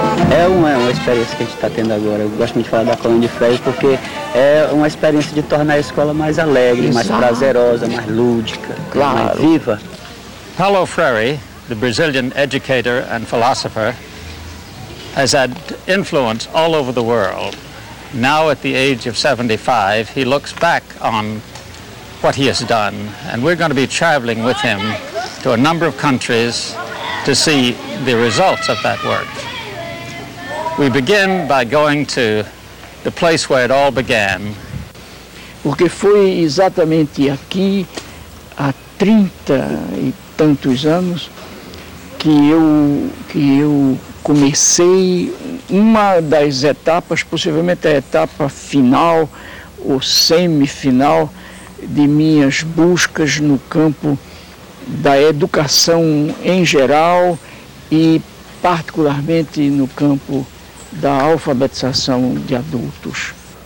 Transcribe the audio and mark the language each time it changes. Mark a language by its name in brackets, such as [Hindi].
[Portuguese] É uma experiência que a gente está tendo agora. Eu gosto muito de falar da colônia de férias porque é uma experiência de tornar a escola mais alegre, exato, mais prazerosa, mais lúdica, claro, mais viva. [English] Paulo Freire, the Brazilian educator and philosopher, has had influence all over the world. Now at the age of 75, he looks back on what he has done, and we're going to be traveling with him to a number of countries to see the results of that work. We begin by going to the place where it all began. [Portuguese] Porque foi exatamente aqui, há 30 e tantos anos, que eu comecei uma das etapas, possivelmente a etapa final ou semifinal de minhas buscas no campo da educação em geral e particularmente no campo da alfabetização de adultos.